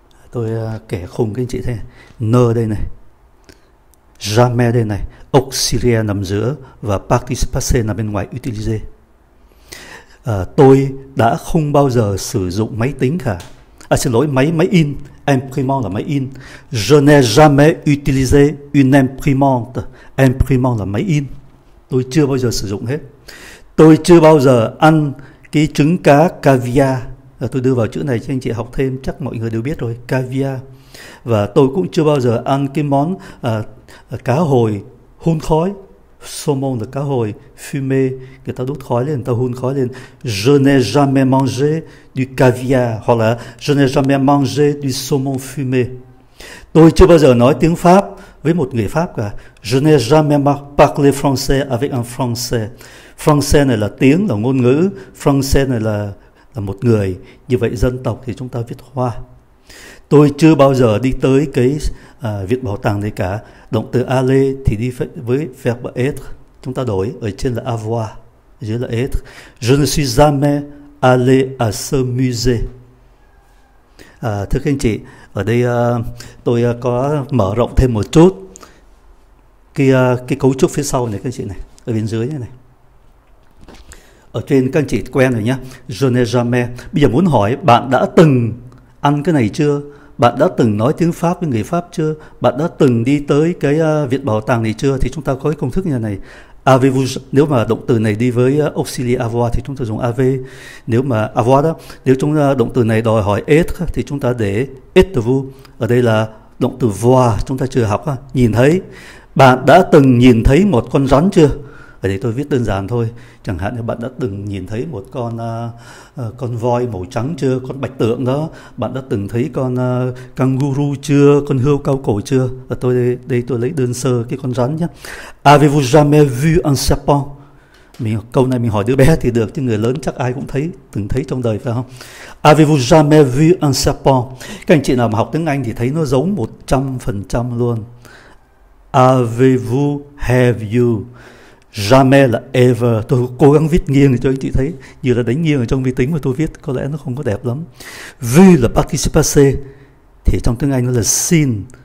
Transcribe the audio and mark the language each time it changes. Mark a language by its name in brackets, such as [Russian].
[Vietnamese] Tôi kể khùng các anh chị thế. Ne đây này, jamais đây này, auxiliaire nằm giữa và participe passé nằm bên ngoài, utilisé. Tôi đã không bao giờ sử dụng máy tính cả. À xin lỗi, máy in, imprimante là máy in. [French] Je n'ai jamais utilisé une imprimante. [Vietnamese] Imprimante là máy in. Tôi chưa bao giờ sử dụng hết. Tôi chưa bao giờ ăn cái trứng cá caviar. Tôi đưa vào chữ này cho anh chị học thêm, chắc mọi người đều biết rồi, caviar. Và tôi cũng chưa bao giờ ăn cái món cá hồi hun khói. Saumon là cá hồi, fumé, người ta đốt khói lên, người ta hun khói lên. [French] Je n'ai jamais mangé du caviar, hoặc là je n'ai jamais mangé du saumon fumé. [Vietnamese] Tôi chưa bao giờ nói tiếng Pháp với một người Pháp cả. [French] Je n'ai jamais parlé français avec un français. [Vietnamese] Français này là tiếng, là ngôn ngữ. Français này là một người. Như vậy dân tộc thì chúng ta viết hoa. Tôi chưa bao giờ đi tới cái viện bảo tàng này cả. Động từ aller thì đi với verb être. Chúng ta đổi. Ở trên là avoir. Dưới là être. [French] Je ne suis jamais allé à ce musée. [Vietnamese] Thưa các anh chị, ở đây tôi có mở rộng thêm một chút. cái cấu trúc phía sau này các anh chị này, ở bên dưới này. Ở trên các anh chị quen rồi nhé, [French] je n'ai jamais. [Vietnamese] Bây giờ muốn hỏi bạn đã từng ăn cái này chưa? Bạn đã từng nói tiếng Pháp với người Pháp chưa? Bạn đã từng đi tới cái viện bảo tàng này chưa? Thì chúng ta có cái công thức như này. Avez-vous, nếu mà động từ này đi với auxilié avoir thì chúng ta dùng ave. Nếu mà avoir đó, nếu chúng ta động từ này đòi hỏi être thì chúng ta để êtes-vous. Ở đây là động từ voir, chúng ta chưa học. Nhìn thấy. Bạn đã từng nhìn thấy một con rắn chưa? Ở đây tôi viết đơn giản thôi. Chẳng hạn như bạn đã từng nhìn thấy một con voi màu trắng chưa? Con bạch tượng đó. Bạn đã từng thấy con kangaroo chưa? Con hươu cao cổ chưa? Và tôi đây tôi lấy đơn sơ cái con rắn nhé. [French] Avez-vous jamais vu un serpent? [Vietnamese] Câu này mình hỏi đứa bé thì được, chứ người lớn chắc ai cũng thấy, từng thấy trong đời phải không? [French] Avez-vous jamais vu un serpent? [Vietnamese] Các anh chị nào mà học tiếng Anh thì thấy nó giống 100% luôn. [French] Avez-vous, [English] have you? [French] Jamais là ever. [Vietnamese] Tôi cố gắng viết nghiêng cho anh chị thấy, như là đánh nghiêng ở trong vi tính mà tôi viết, có lẽ nó không có đẹp lắm. Vu là participe passé, thì trong tiếng Anh nó là seen.